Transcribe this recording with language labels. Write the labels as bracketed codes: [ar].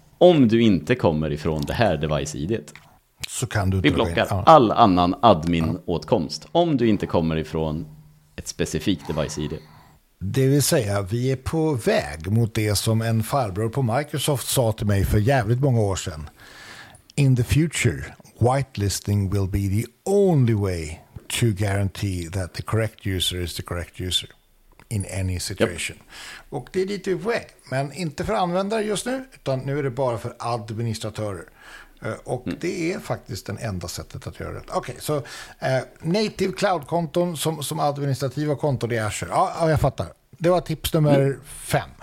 [sv] Om du inte kommer ifrån det här device-idet. Så kan du vi blockar in. All annan admin-åtkomst. Om du inte kommer ifrån ett specifikt device-id. Det vill säga, vi är på väg mot det som en farbror på Microsoft sa till mig för jävligt många år sedan. [en] In the future, whitelisting will be the only way to guarantee that the correct user is the correct user. In any situation. Yep. [sv] Och det är lite väg, men inte för användare just nu, utan nu är det bara för administratörer. Och det är faktiskt den enda sättet att göra det. Okej, så native cloud-konton som administrativa konton i Azure. Ja, jag fattar. Det var tips nummer 5.